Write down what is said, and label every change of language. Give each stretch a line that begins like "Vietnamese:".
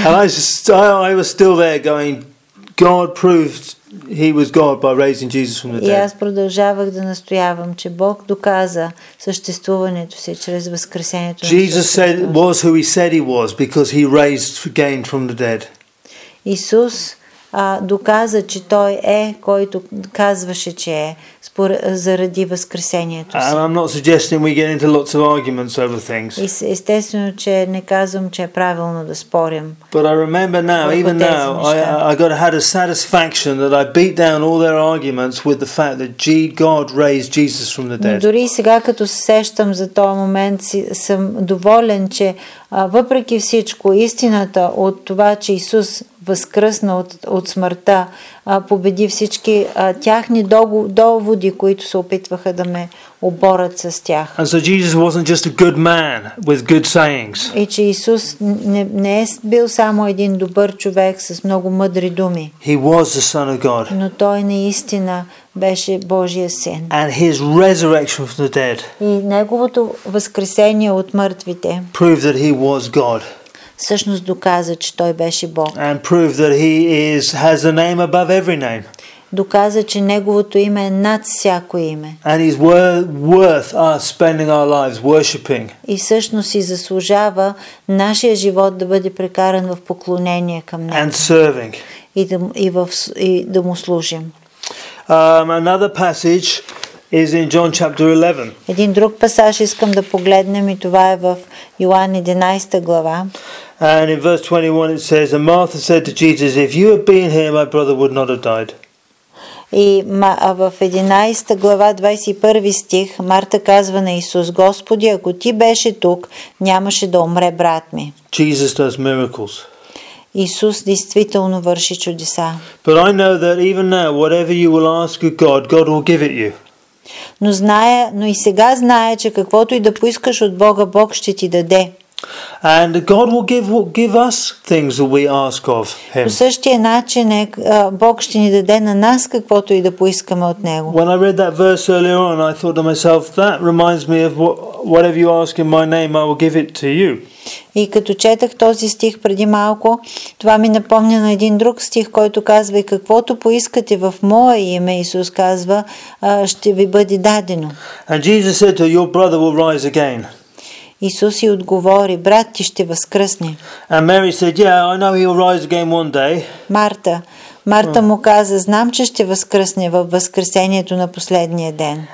English: And I was still there going, God proved he was God by raising Jesus from the dead.
Bulgarian: И аз продължавах да настоявам, че Бог доказа съществуването си чрез възкресението.
English: Jesus said was who he said he was because he raised again from the dead.
Bulgarian: Исус доказа, че той е, който казваше, че е заради възкресението си.
English: And I'm not suggesting we get into lots of arguments over things.
Bulgarian: Естествено, че не казвам, че е правилно да спорим.
English: But I remember now, even now, I had a satisfaction that I beat down all their arguments with the fact that God raised Jesus from the dead.
Bulgarian: Дори сега, като се сещам за този момент, съм доволен, че въпреки всичко, истината от това, че Исус възкръсна от смъртта, победи всички тяхни доводи, които се опитваха да ме оборят с тях.
English: And so Jesus wasn't just a good man with good sayings.
Bulgarian: И че Исус не е бил само един добър човек с много мъдри думи.
English: He was the Son of God.
Bulgarian: Но той наистина беше Божия син.
English: And his resurrection from the dead.
Bulgarian: И неговото възкресение от мъртвите.
English: Proved that he was God.
Bulgarian: Всъщност доказа, че той беше Бог.
English: And proved that he has a name above every name.
Bulgarian: Доказа, че неговото име е над всяко име.
English: And he's worth us spending our lives worshiping.
Bulgarian: И всъщност си заслужава нашия живот да бъде прекаран в поклонение към него.
English: And serving.
Bulgarian: И да му служим.
English: Another passage is in John chapter 11.
Bulgarian: Един друг пасаж искам да погледнем и това е в Йоан 11 глава.
English: And in verse 21 it says, and Martha said to Jesus, if you had been here, my brother would not have died.
Bulgarian: И в 11 глава 21 стих Марта казва на Исус: Господи, ако ти беше тук, нямаше да умре брат ми.
English: Jesus does miracles.
Bulgarian: Исус действително върши чудеса.
English: But I know that even now, whatever you will ask of God, God will give it you.
Bulgarian: Но и сега знае, че каквото и да поискаш от Бога, Бог ще ти даде.
English: And God will give us things that we ask of him.
Bulgarian: По същия начин Бог ще ни даде на нас каквото и да поискаме от него.
English: When I read that verse earlier on, I thought to myself, that reminds me of whatever you ask in my name, I will give it to you.
Bulgarian: И като четах този стих преди малко, това ми напомня на един друг стих, който казва: и каквото поискате в мое име, Исус казва, ще ви бъде дадено.
English: And Jesus said to your brother will rise again.
Bulgarian: Исус и отговори: брат ти ще възкръсне.
English: And Mary said, yeah, I know he'll rise again one day.
Bulgarian: Марта му каза: знам, че ще възкръсне във възкресението на последния ден.